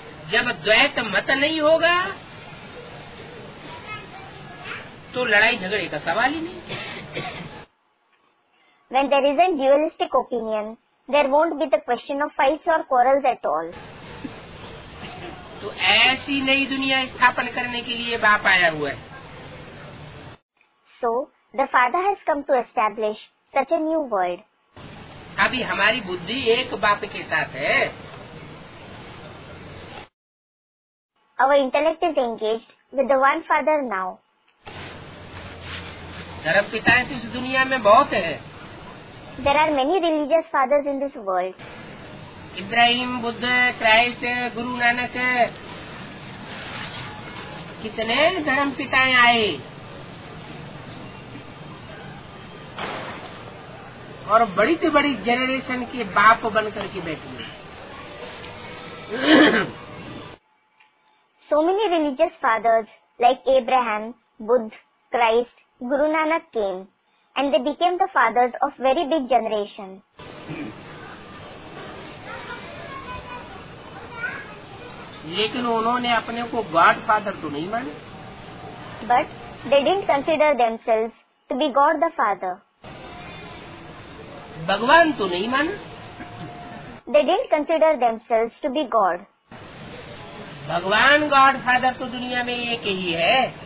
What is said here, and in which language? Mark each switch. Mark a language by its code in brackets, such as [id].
[hi] जब द्वैत मत नहीं होगा तो लड़ाई झगड़े का सवाल ही नहीं। [en] When there isn't dualistic opinion, there won't be the question of fights or quarrels at all. [hi] तो ऐसी नई दुनिया स्थापन करने के लिए बाप आया हुआ है। [en] So, the father has come to establish such a new world. [hi] अभी हमारी बुद्धि एक बाप के साथ है। [en] Our intellect is engaged with the one father now. [hi] धर्म पिता इस दुनिया में बहुत है। [en] There are many religious fathers in this world. [hi] Ibrahim, Buddha, Christ, Guru Nanak, कितने धर्म पिताएं आए और बड़ी से बड़ी जनरेशन के बाप बनकर के बैठी। [en] So many religious fathers like Abraham, Buddha, Christ, Guru Nanak came and they became the fathers of very big generation. [hi] लेकिन उन्होंने अपने को गॉड फादर तो नहीं माने। [en] But they didn't consider themselves to be God the Father. [hi] भगवान तो नहीं माने। [en] They didn't consider themselves to be God. [hi] भगवान गॉड फादर तो दुनिया में एक ही है।